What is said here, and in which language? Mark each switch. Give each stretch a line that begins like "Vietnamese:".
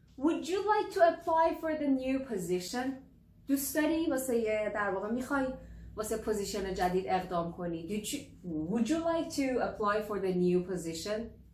English: Would you like to apply for the new position?
Persian: دوست داری واسه یه در واقع میخوای واسه پوزیشن جدید اقدام کنی.
English: Would you like to apply for the new position?